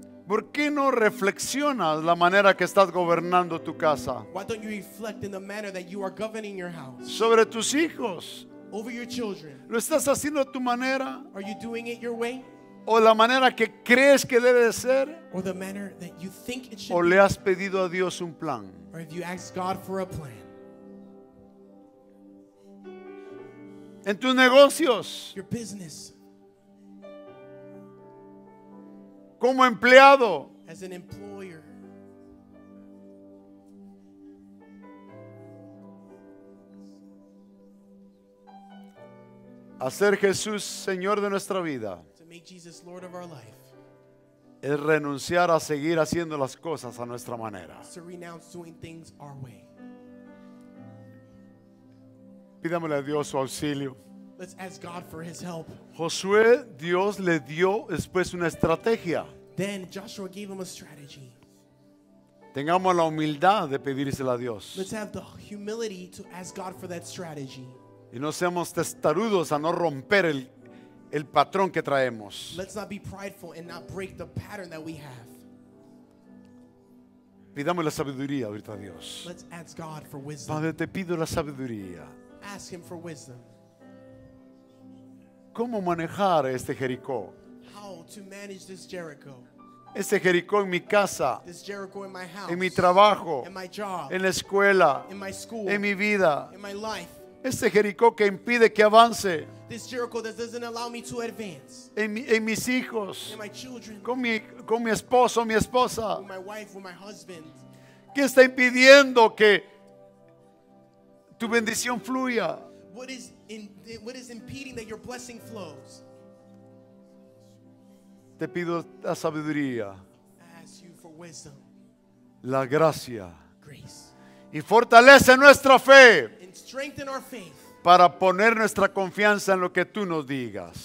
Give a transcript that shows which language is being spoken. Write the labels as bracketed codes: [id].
[es] ¿Por qué no reflexionas la manera que estás gobernando tu casa? [en] Why don't you reflect in the manner that you are governing your house? [es] Sobre tus hijos. [en] Over your children. [es] ¿Lo estás haciendo a tu manera? [en] Are you doing it your way? [es] ¿O la manera que crees que debe de ser? [en] Or the manner that you think it should [es] ¿O le has pedido a Dios un plan? [en] Or have you asked God for a plan? [es] ¿En tus negocios? [en] Your business. [es] Como empleado. [en] As an employer. [es] Hacer Jesús Señor de nuestra vida. [en] To make Jesus Lord of our life. [es] Es renunciar a seguir haciendo las cosas a nuestra manera. [en] To renounce doing things our way. [es] Pidámosle a Dios su auxilio. [en] Let's ask God for his help. [es] Josué, Dios le dio después una estrategia. [en] Then Joshua gave him a strategy. [es] Tengamos la humildad de pedírsela a Dios. [en] Let's have the humility to ask God for that strategy. [es] Y no seamos testarudos a no romper el patrón que traemos. [en] Let's not be prideful and not break the pattern that we have. [es] Pidamos la sabiduría ahorita a Dios. [en] Let's ask God for wisdom. [es] Padre, te pido la sabiduría. [en] Ask him for wisdom. [es] ¿Cómo manejar este Jericó? [en] To manage this Jericho. [es] Este Jericó en mi casa. [en] This Jericho in my house. [es] En mi trabajo. [en] In my job. [es] En la escuela. [en] In my school. [es] En mi vida. [en] In my life. [es] Este Jericó que impide que avance. [en] This Jericho that doesn't allow me to advance. [es] En mis hijos. [en] In my children. [es] Con mi esposo, mi esposa. [en] With my wife, with my husband. [es] ¿Qué está impidiendo que tu bendición fluya? [en] What is impeding that your blessing flows? [es] Te pido la sabiduría, [en] ask you for wisdom, [es] la gracia, [en] grace, [es] y fortalece nuestra fe [en] and strengthen our faith, [es] para poner nuestra confianza en lo que tú nos digas.